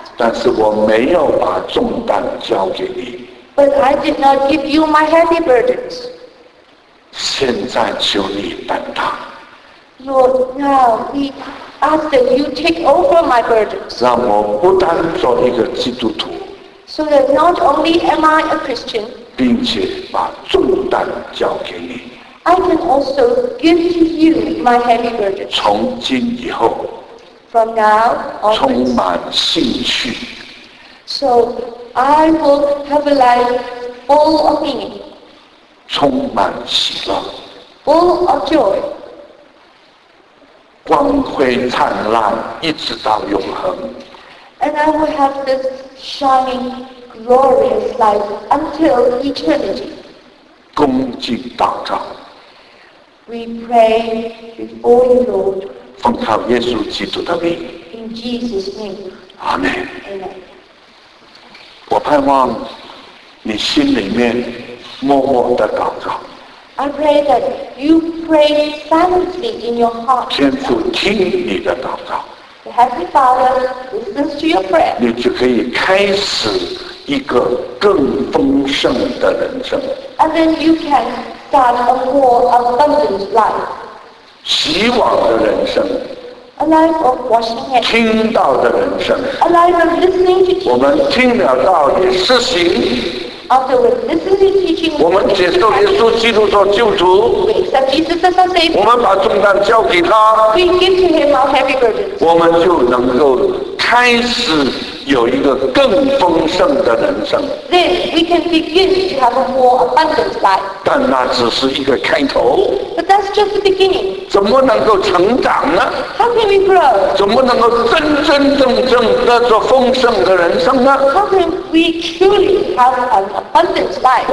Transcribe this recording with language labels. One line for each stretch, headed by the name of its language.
Chinese: 但是我没有把重担交给你。
English: But I did not give you my heavy burdens.
Chinese: 现在求你担当。
English: Lord, now we ask that you take over my burdens.
Chinese: 让我不单做一个基督徒。
English: So that not only am I a Christian,
Chinese: 并且把重担交给你。
English: I can also give to you my heavy burden.
Chinese: 从今以后，
English: from now onwards,
Chinese: 充满兴趣。
English: So I will have a life full of meaning.
Chinese: 充满喜乐。
English: Full of joy.
Chinese: 光辉灿烂，一直到永恒。
English: And I will have this shining, glorious life until eternity.
Chinese: 恭敬祷告。
English: We pray before you, Lord.
Chinese: 奉靠耶稣基督的名。
English: In Jesus' name. Amen. Amen.
Chinese: 我盼望你心里面默默的祷告。
English: I pray that you pray silently in your heart.
Chinese: 天父听你的祷告。
English: The Heavenly Father listens to your prayer.
Chinese: 你就可以开始一个更丰盛的人生。
English: And then you can start a more abundant life.
Chinese: 希望的人生。
English: A life of washing hands.
Chinese: 听到的人生。
English: A life of listening to teaching.
Chinese: 我们听了道也实行。
English: After we listen to teaching,
Chinese: 我们接受耶稣基督做救主。我们把重担交给他。
English: We give to him our heavy burdens.
Chinese: 我们就能够开始有一个更丰盛的人生。
English: Then we can begin to have a more abundant life.
Chinese: 但那只是一个开头。
English: But that's just the beginning.
Chinese: 怎么能够成长呢？
English: How can we grow?
Chinese: 怎么能够真真正正的做丰盛的人生呢？
English: How can we truly have an abundant life?